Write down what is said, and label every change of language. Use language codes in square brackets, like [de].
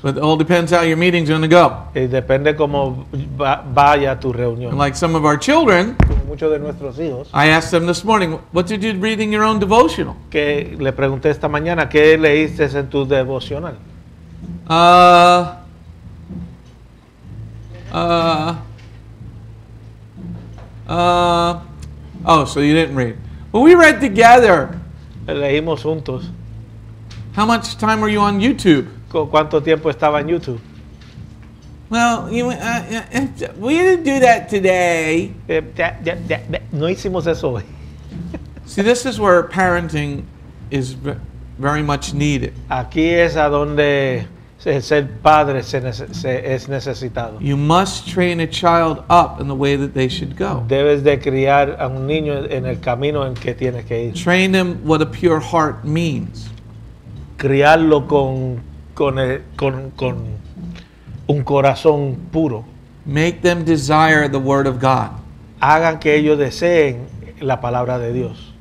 [en] But it all depends how your meeting's going to go. [es] Y depende cómo vaya tu reunión. [en] And like some of our children. [es] Como muchos de nuestros hijos. [en] I asked them this morning, what did you read in your own devotional? [es] Que le pregunté esta mañana, ¿qué leíste en tu devocional? [en] Oh, so you didn't read. Well, we read together. [es] Leímos juntos. [en] How much time were you on YouTube? [es] ¿Cuánto tiempo estaba en YouTube? [en] Well, we didn't do that today. [es] No hicimos eso hoy. [en] See, this is where parenting is very much needed. [es] Aquí es a donde ser padre es necesitado. [en] You must train a child up in the way that they should go. [es] Debes de criar a un niño en el camino en que tiene que ir. [en] Train them what a pure heart means. [es] Criarlo con un corazón puro. [en] Make them desire the word of God. [es] Hagan que ellos deseen la palabra de Dios.